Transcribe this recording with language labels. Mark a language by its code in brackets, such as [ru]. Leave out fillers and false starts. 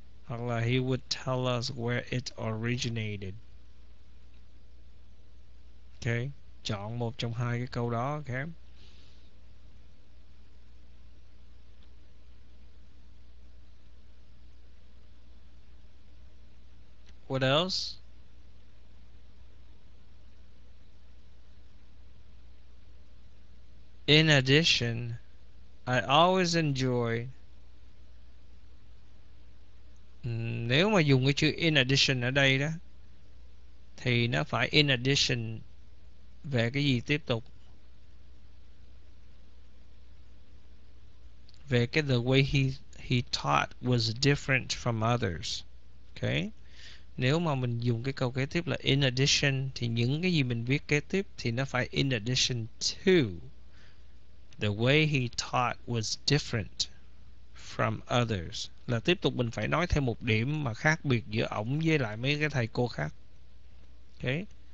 [en] Allah, he would tell us where it originated. [vi] Okay, chọn một trong hai cái câu đó, okay? [en] What else? In addition, I always enjoy. [vi] Nếu mà dùng cái chữ [en] in addition [vi] ở đây đó thì nó phải in addition về cái gì tiếp tục? Về cái [en] the way he taught was different from others. Okay? [vi] Nếu mà mình dùng cái câu kế tiếp là [en] in addition [vi] thì những cái gì mình viết kế tiếp thì nó phải [en] in addition to the way he taught was different from others. [vi] Là tiếp tục mình phải nói thêm một điểm mà khác biệt giữa ổng với lại mấy cái thầy cô khác. Okay.